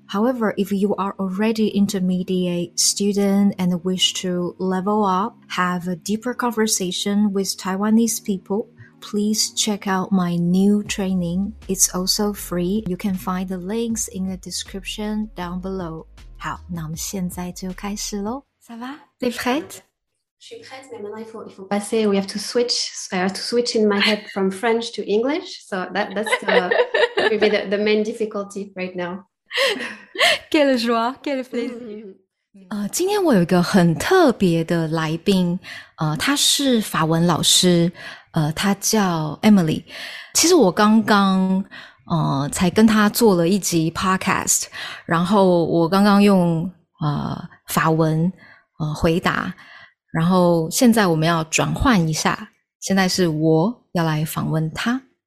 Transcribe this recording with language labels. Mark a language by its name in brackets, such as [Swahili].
[English] However, if you are already intermediate student and wish to level up, have a deeper conversation with Taiwanese people,Please check out my new training. It's also free. You can find the links in the description down below. [Chinese] 好，那我们现在就开始咯。 [French] Ça va? T'es prête? Je suis prête, mais maintenant il faut passer. [English] We have to switch. I have to switch in my head from French to English. So that's maybe the main difficulty right now. [French] Quelle joie, quel plaisir. [Chinese] 今天我有一个很特别的来宾，他是法文老师，他叫 Emily。其实我刚刚才跟他做了一集 podcast， 然后我刚刚用法文回答，然后现在我们要转换一下，现在是我要来访问他。